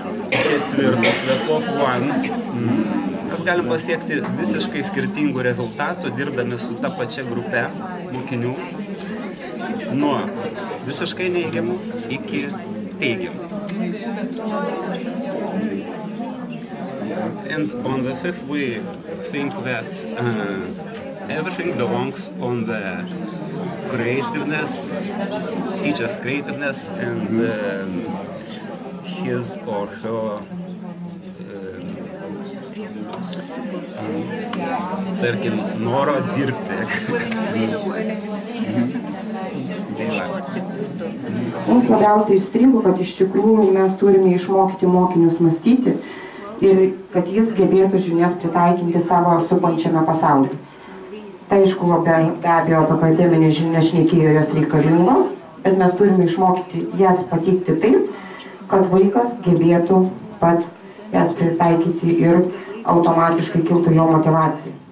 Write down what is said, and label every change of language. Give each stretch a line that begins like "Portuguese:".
Lithuanian: Ketvirtas, mes galim pasiekti visiškai skirtingų rezultatų, dirbdami su ta pačia grupe mokinių, nuo visiškai neigiamų iki teigiamų.
English: And on the fifth, we think that everything belongs on the creativeness, teacher's creativeness, and his or her
Lithuanian: tarkim, noro dirbti. Mums labiausiai įstrigo, kad iš tikrųjų mes turime išmokyti mokinius mąstyti ir kad jis gebėtų žinias pritaikyti savo supančiame pasaulyje. Tai, aišku, be abejo, akademinės žinias šnekėjo jas reikalingos, bet mes turime išmokyti jas pateikti taip, kad vaikas gebėtų pats jas pritaikyti ir automatiškai kiltų jo motyvaciją.